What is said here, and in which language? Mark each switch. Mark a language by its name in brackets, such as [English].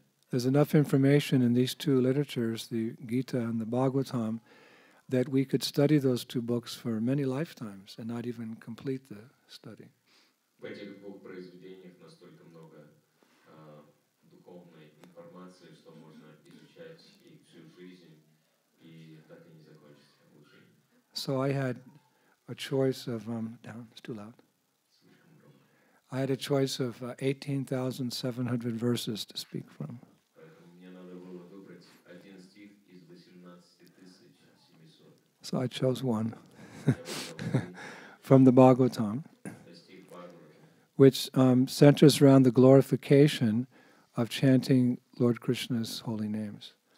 [English] There's enough information in these two literatures, the Gita and the Bhagavatam, that we could study those two books for many lifetimes and not even complete the study. [Russian] В этих двух произведениях настолько много духовной информации, что можно изучать и всю жизнь, и так и не закончится учение. [English] So I had a choice of it's too loud. I had a choice of 18,700 verses to speak from. So I chose one from the Bhagavatam, which centers around the glorification of chanting Lord Krishna's holy names.